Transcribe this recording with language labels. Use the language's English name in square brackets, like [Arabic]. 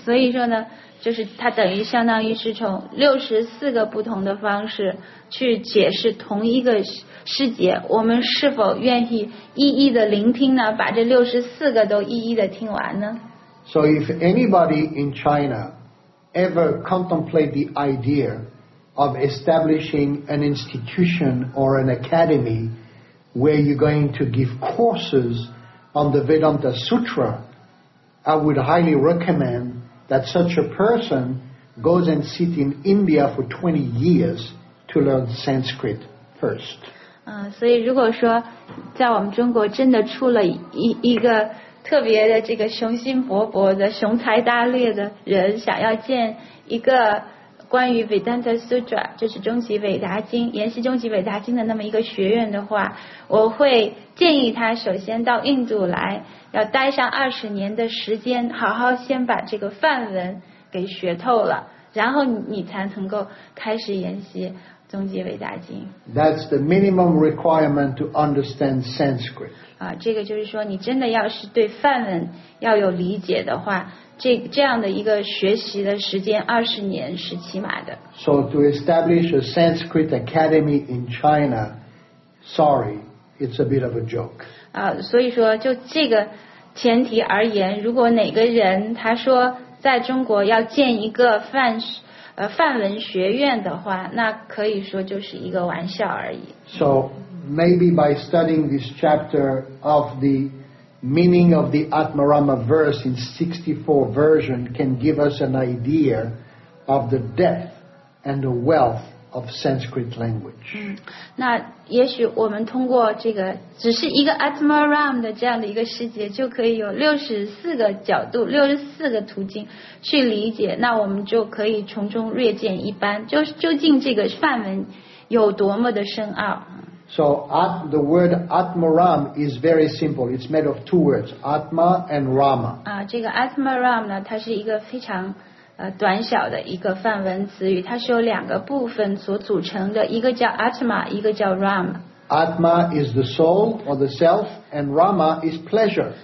[Chinese] 所以说呢，就是它等于相当于是从64个不同的方式去解释同一个师节，我们是否愿意一一的聆听呢？把这64个都一一的听完呢？ [English] So if anybody in China ever contemplate the idea of establishing an institution or an academy where you're going to give courses on the Vedanta Sutra, I would highly recommend that such a person goes and sit in India for 20 years to learn Sanskrit first. [Chinese] 所以如果说在我们中国真的出了一个特别的这个雄心勃勃的雄才大略的人，想要建一个关于 Vedanta Sutra， 就是终极伟达经，研习终极伟达经的那么一个学院的话，我会建议他首先到印度来，要待上20年的时间，好好先把这个梵文给学透了，然后你才能够开始研习终极伟达经。 [English] That's the minimum requirement to understand Sanskrit. [Chinese] 啊，这个就是说，你真的要是对梵文要有理解的话。这样的一个学习的时间20年是起码的。 [English] So to establish a Sanskrit academy in China, sorry, it's a bit of a joke. [Chinese] 啊，所以说就这个前提而言，如果哪个人他说在中国要建一个梵文学院的话，那可以说就是一个玩笑而已。 [English] So maybe by studying this chapter of the meaning of the Atmarama verse in 64 version can give us an idea of the depth and the wealth of Sanskrit language. [Chinese] 那也许我们通过这个只是一个 Atmarama 的这样的一个世界，就可以有64个角度、64个途径去理解。那我们就可以从中略见一斑，就究竟这个梵文有多么的深奥。 [English] So the word Atmaram is very simple. It's made of two words, Atma and Rama. [Chinese] 啊，这个 Atmaram 呢，它是一个非常短小的一个梵文词语，它是由两个部分所组成的，一个叫 Atma， 一个叫 Rama。 [English] Atma is the soul or the self, and Rama is pleasure.